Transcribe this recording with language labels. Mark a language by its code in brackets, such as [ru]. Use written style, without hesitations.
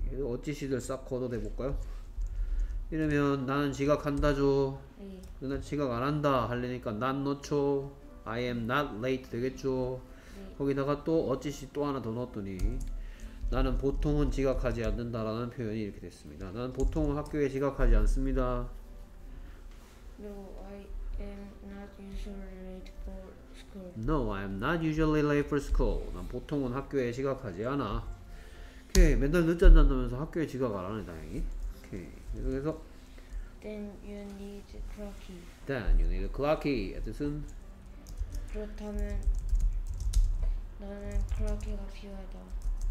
[ko] 어찌 시들 싹 걷어내 볼까요? 이러면 나는 지각한다죠. 네. 나 지각 안 한다 하려니까 난 넣죠. [en] I am not late 되겠죠. [ko] 네. 거기다가 또 어찌 시 또 하나 더 넣었더니 나는 보통은 지각하지 않는다라는 표현이 이렇게 됐습니다. 나는 보통은 학교에 지각하지 않습니다. [en] No, I am not usually late for school. No, I am not usually late for school. [ko] 난 보통은 학교에 지각하지 않아. 오케이, 맨날 늦잠 잔다면서 학교에 지각 안 하네, 다행히. 오케이, 계속해서. [en] Then you need a clocky. Then you need a clocky. [ko] 뜻은? 그렇다면 나는 clocky가 필요하다.